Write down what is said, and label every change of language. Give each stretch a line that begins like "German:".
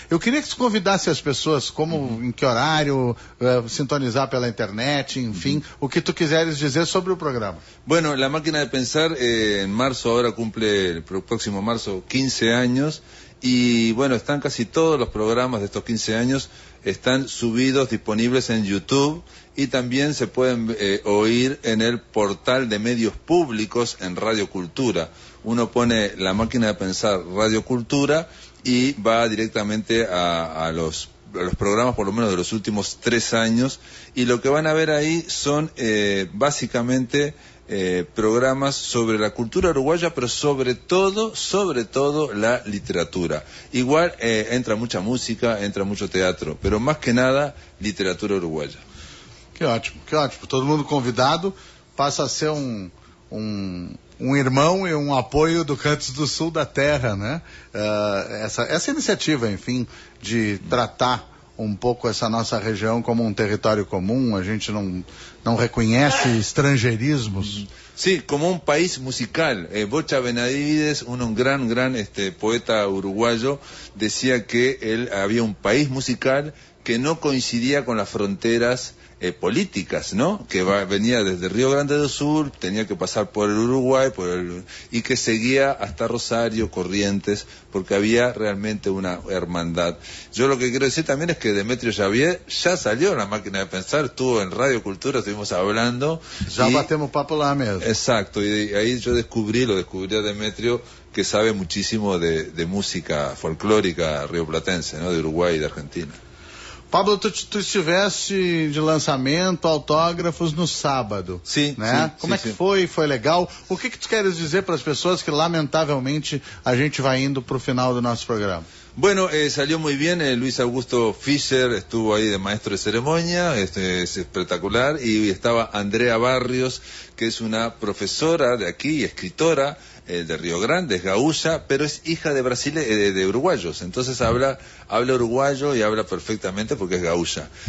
Portuguese: Eu queria que você convidasse as pessoas, como, em que horário, sintonizar pela internet, enfim, o que tu quiseres dizer sobre o programa. Bueno, La Máquina de Pensar, em março, agora cumple, pro próximo março, 15 anos. E, bueno, estão casi todos os programas de estos 15 anos, estão subidos, disponíveis em YouTube.
Spanish: Y también se pueden oír en el portal de medios públicos en Radio Cultura. Uno pone La Máquina de Pensar Radio Cultura y va directamente a los programas, por lo menos de los últimos 3 años. Y lo que van a ver ahí son básicamente programas sobre la cultura uruguaya, pero sobre todo la literatura. Igual entra mucha música, entra mucho teatro, pero más que nada literatura uruguaya.
Portuguese: Que ótimo, todo mundo convidado, passa a ser um irmão e um apoio do Cantos do Sul da Terra, né? Essa iniciativa, enfim, de tratar um pouco essa nossa região como um território comum, a gente não reconhece estrangeirismos. Sim, como um país musical. Bocha Benavides, um grande poeta uruguaio, dizia que ele havia um país musical que não coincidia com as fronteiras políticas, ¿no?
Spanish: Que venía desde Río Grande del Sur, tenía que pasar por el Uruguay, y que seguía hasta Rosario, Corrientes, porque había realmente una hermandad. Yo lo que quiero decir también es que Demetrio Xavier ya salió en La Máquina de Pensar, estuvo en Radio Cultura, estuvimos hablando. Ya
Portuguese: batemos papo
Spanish: la mesa. Exacto, y ahí yo descubrí a Demetrio, que sabe muchísimo de música folclórica rioplatense, ¿no? De Uruguay y de Argentina.
Portuguese: Pablo, tu estivesse de lançamento, autógrafos, no sábado. Sim, né? Sim. Como sim, é que foi? Foi legal? O que tu queres dizer para as pessoas que, lamentavelmente, a gente vai indo para o final do nosso programa?
Spanish: Bueno, salió muy bien, Luis Augusto Fischer estuvo ahí de maestro de ceremonia, es espectacular, y estaba Andrea Barrios, que es una profesora de aquí, escritora, de Río Grande, es gaúcha, pero es hija de brasileños, de uruguayos, entonces habla uruguayo y habla perfectamente porque es gaúcha.